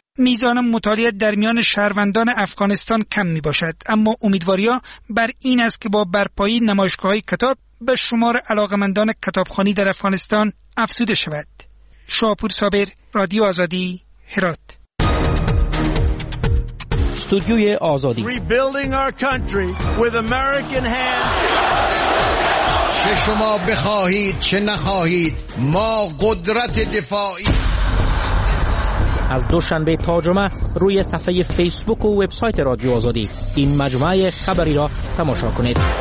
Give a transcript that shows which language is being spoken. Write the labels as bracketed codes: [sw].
[fa] میزان مطالعه در میان شهروندان افغانستان کم می باشد، اما امیدواری ها بر این است که با برپایی نمایشگاه های کتاب به شمار علاقمندان کتابخوانی در افغانستان افزوده شود. شاپور صابر، رادیو آزادی، هرات. استودیوی آزادی. [en] Rebuilding our country with American hands. [fa] چه شما بخواهید چه نخواهید ما قدرت دفاعی. از دوشنبه تا جمعه روی صفحه فیسبوک و وبسایت رادیو آزادی این مجموعه خبری را تماشا کنید.